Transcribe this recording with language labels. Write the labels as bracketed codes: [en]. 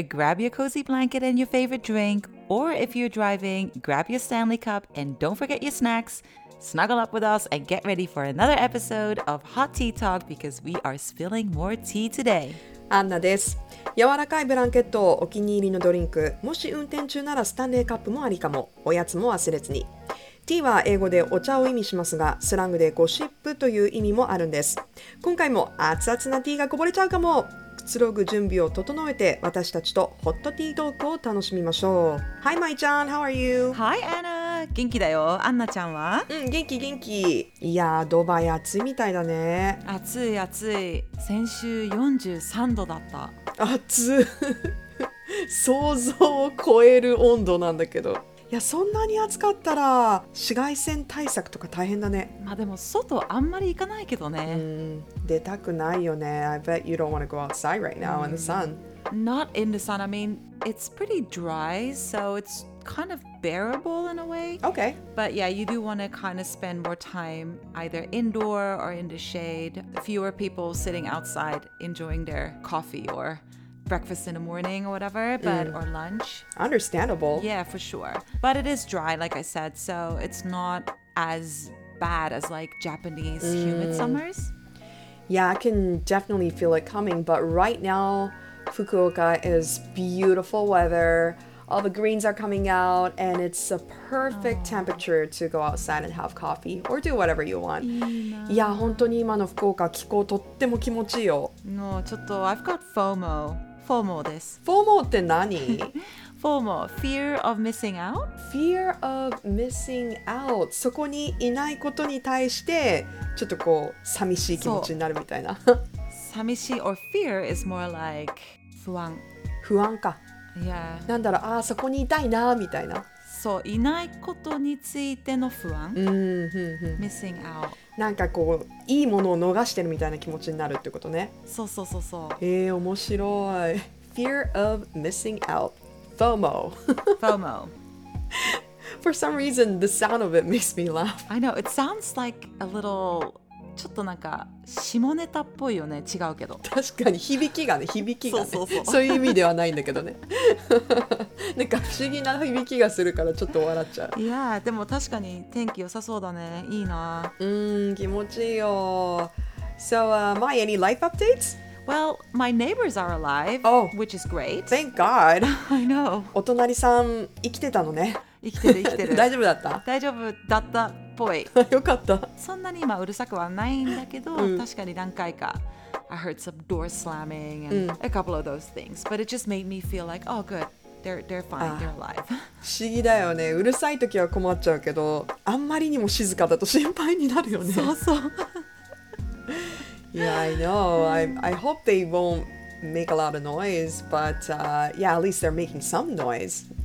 [en] Grab your cozy blanket and your favorite drink. Or if you're driving, grab your Stanley Cup and don't forget your snacks. Snuggle up with us and get ready for another episode of Hot Tea Talk because we are spilling more tea today. [ja] アンナです。柔らかいブランケットをお気に入りのドリンク、もし運転中ならスタンレーカップもありかも。おやつも忘れずに。ティーは英語でお茶を意味しますが、スラングでゴシップという意味もあるんです。今回も熱々なティーがこぼれちゃうかも。くつろぐ準備を整えて、私たちとホットティートークを楽しみましょう。 [en] Hi, Mai ちゃん。How are you? Hi, [ja] Anna. 元気だよ。アンナちゃんは？うん、元気元気。いやー、ドバイ暑いみたいだね。暑い暑い。先週43度だった。暑い。想像を超える温度なんだけど。いやそんなに暑かったら紫外線対策とか大変だね。まあでも外あんまり行かないけどね。出たくないよね。 [en] I bet you don't want to go outside right now in the sun. Not in the sun. I mean, it's pretty dry, so it's kind of bearable in a way. Okay. But yeah, you do want to kind of spend more time either indoor or in the shade. Fewer people sitting outside enjoying their coffee orbreakfast in the morning or whatever, but or lunch. Understandable. Yeah, for sure. But it is dry, like I said, so it's not as bad as like Japanese humid summers. Yeah, I can definitely feel it coming, but right now Fukuoka is beautiful weather. All the greens are coming out and it's a perfect temperature to go outside and have coffee or do whatever you want. [ja] いいな。いや、本当に今の福岡気候とっても気持ちいいよ。もうちょっと [en] I've got FOMO. FOMO です。 [ja] FOMO って何 [en] ?FOMO、Fear of Missing Out? Fear of Missing Out。 [ja] そこにいないことに対して、ちょっとこう、寂しい気持ちになるみたいな。 [en] 寂しい、or fear is more like 不安。 [ja] 不安か。 [en] Yeah. [ja] なんだろう、ああ、そこにいたいな、みたいな。そう、いないことについての不安。 [en] Missing Out。 [ja] なんかこういいものを逃してるみたいな気持ちになるってことね。そうそうそうそう。へえー、面白い。 [en] Fear of missing out. FOMO. FOMO. For some reason, the sound of it makes me laugh. I know, it sounds like a little... [ja] ちょっとなんか下ネタっぽいよね。違うけど。確かに響きがね、響きがね。そうそうそう。そういう意味ではないんだけどね。なんか不思議な響きがするからちょっと笑っちゃう。いやー、でも確かに天気良さそうだね。いいな。気持ちいいよ。 [en] So, Mai, any life updates? Well, my neighbors are alive, which is great. Thank God. I know. [ja] お隣さん生きてたのね。生きてる生きてる。大丈夫だった？大丈夫だった。ぽい。よかった。そんなに今うるさくはないんだけど、確かに何回か [en] I heard some door slamming and a couple of those things. But it just made me feel like, oh good, they're fine, they're alive. [ja] 不思議だよね。うるさい時は困っちゃうけど、あんまりにも静かだと心配になるよね。そうそう。 [en] Yeah, I know. I hope they won't make a lot of noise, but yeah, at least they're making some noise.